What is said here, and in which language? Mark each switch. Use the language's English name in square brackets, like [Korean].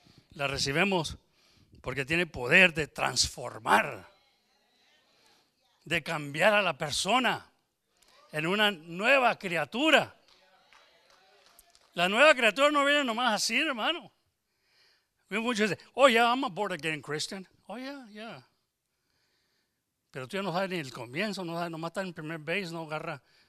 [Spanish] La recibimos porque tiene poder de transformar, de cambiar a la persona en una nueva criatura. La nueva criatura no viene nomás así, hermano. Muchos dicen, [English] oh yeah, I'm a born again Christian. Oh yeah, yeah. [Spanish] Pero tú ya no sabes ni el comienzo, no sabes, nomás está en primer base, no agarra.